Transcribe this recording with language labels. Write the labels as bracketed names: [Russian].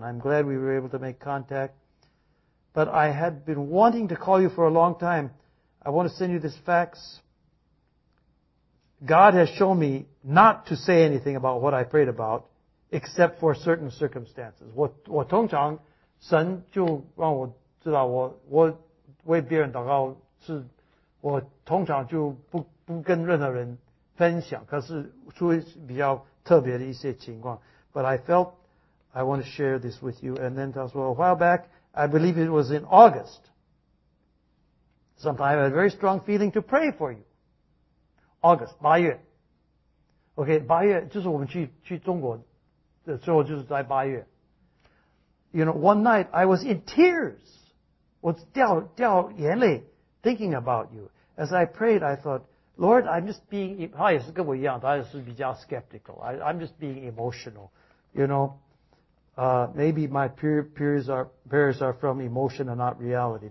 [English] I'm glad we were able to make contact, but I had been wanting to call you for a long time. I want to send you this fax. God has shown me not to say anything about what I prayed about." Except for certain circumstances. [Chinese] 我通常神就让我知道我为别人祷告是我通常就不跟任何人分享，可是出于比较特别的一些情况。 [English] But I felt I want to share this with you. And then [Chinese] 他说 [English] a while back, I believe it was in August. Sometime I had a very strong feeling to pray for you. August, 八月。 [Chinese] OK, 八月就是我们去中国的时候，就是在八月。 [English] You know, one night I was in tears. [Chinese] 我掉眼泪 [English] thinking about you. As I prayed, I thought, Lord, I'm just being, [Chinese] 他也是跟我一样，他也是比较 [English] skeptical. I'm just being emotional. You know, maybe my prayers are from emotion and not reality.